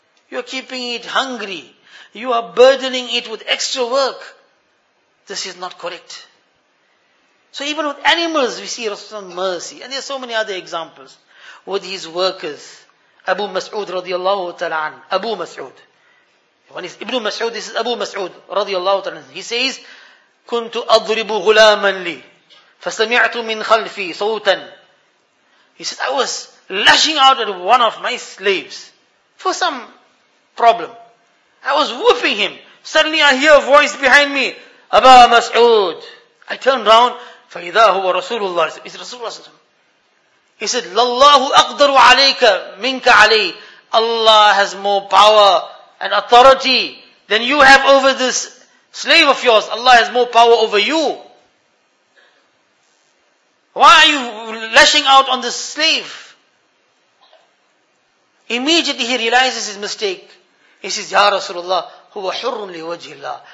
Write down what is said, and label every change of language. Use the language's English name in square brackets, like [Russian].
[English] You are keeping it hungry. You are burdening it with extra work. This is not correct. So even with animals, we see Rasulullah's mercy. And there are so many other examples. With his workers, Abu Mas'ud radiallahu ta'ala an. Abu Mas'ud. One is Ibn Mas'ud, this is Abu Mas'ud radiallahu ta'ala an. He says, [Arabic] كُنْتُ أَضْرِبُ غُلَامًا لِي فَسَمِعْتُ مِنْ خَلْفِي صَوْتًا. [English] He says, I was lashing out at one of my slaves for some problem. I was whooping him. Suddenly I hear a voice behind me, Aba Mas'ud. I turn around, [Arabic] فَإِذَا هُوَ رَسُولُ اللَّهِ [English] It's Rasulullah sallallahu. He said, [Arabic] لَاللَّهُ أَقْدَرُ عَلَيْكَ مِنْكَ عَلَيْهِ. [English] Allah has more power and authority than you have over this slave of yours. Allah has more power over you. Why are you lashing out on this slave? Immediately he realizes his mistake. He says, [Arabic] Ya Rasulullah, huwa hurrun li wajhi Allah.